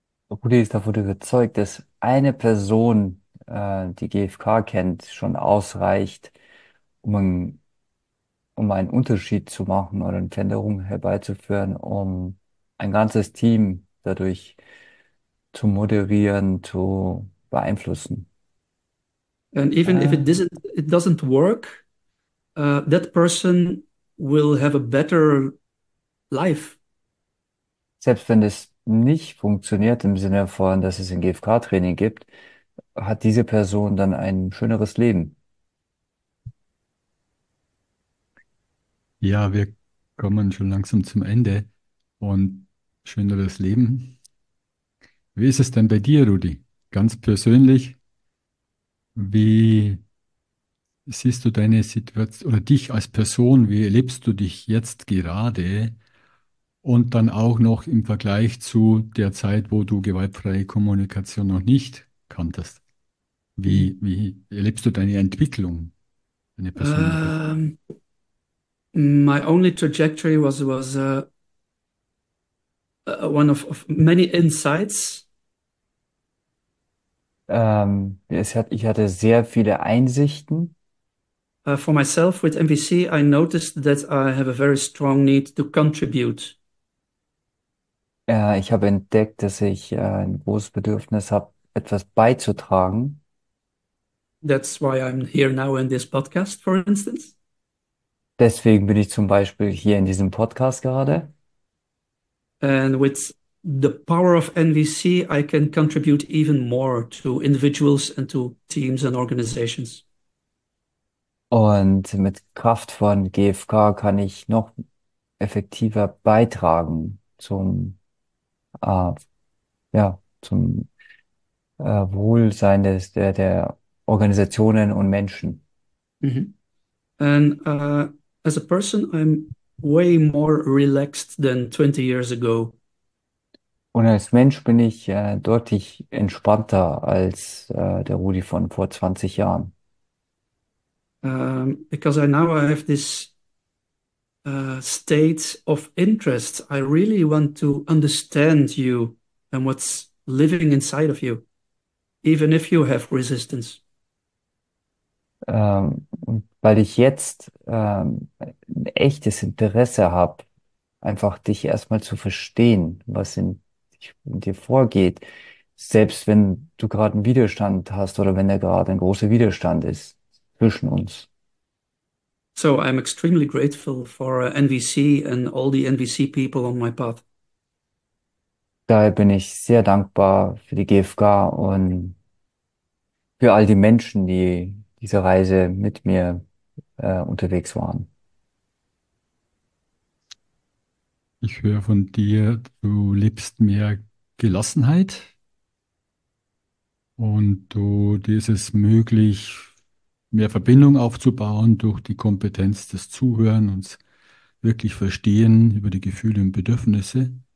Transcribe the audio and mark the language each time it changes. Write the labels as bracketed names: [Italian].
[German] Rudi ist davon überzeugt, dass eine Person, die GfK kennt, schon ausreicht, um einen Unterschied zu machen oder eine Veränderung herbeizuführen, um ein ganzes Team dadurch zu moderieren, zu beeinflussen. [English] And even if it doesn't work, that person will have a better life. [German] Selbst wenn es nicht funktioniert im Sinne von, dass es ein GfK-Training gibt, hat diese Person dann ein schöneres Leben. Ja, wir kommen schon langsam zum Ende und schöneres Leben. Wie ist es denn bei dir, Rudi? Ganz persönlich, wie siehst du deine Situation oder dich als Person? Wie erlebst du dich jetzt gerade? Und dann auch noch im Vergleich zu der Zeit, wo du gewaltfreie Kommunikation noch nicht kanntest. Wie erlebst du deine Entwicklung, deine persönliche Entwicklung? [English] My only trajectory was one of many insights. [German] Ich hatte sehr viele Einsichten. [English] For myself with MVC, I noticed that I have a very strong need to contribute. [German] Ich habe entdeckt, dass ich ein großes Bedürfnis habe, etwas beizutragen. [English] That's why I'm here now in this podcast, for instance. [German] Deswegen bin ich zum Beispiel hier in diesem Podcast gerade. [English] And with the power of NVC, I can contribute even more to individuals and to teams and organizations. [German] Und mit Kraft von GFK kann ich noch effektiver beitragen zum, ja, zum Wohlsein der Organisationen und Menschen. [English] And as a person, I'm way more relaxed than 20 years ago. [German] Und als Mensch bin ich deutlich entspannter als der Rudi von vor 20 Jahren. [English] Because I now I have this state of interest. I really want to understand you and what's living inside of you, even if you have resistance. [German] Und weil ich jetzt ein echtes Interesse habe, einfach dich erstmal zu verstehen, was in dir vorgeht, selbst wenn du gerade einen Widerstand hast oder wenn da gerade ein großer Widerstand ist zwischen uns. [English] So I'm extremely grateful for NVC and all the NVC people on my path. [German] Daher bin ich sehr dankbar für die GfK und für all die Menschen, die diese Reise mit mir unterwegs waren. Ich höre von dir, du lebst mehr Gelassenheit und du, dir ist es möglich, mehr Verbindung aufzubauen durch die Kompetenz des Zuhören und wirklich Verstehen über die Gefühle und Bedürfnisse.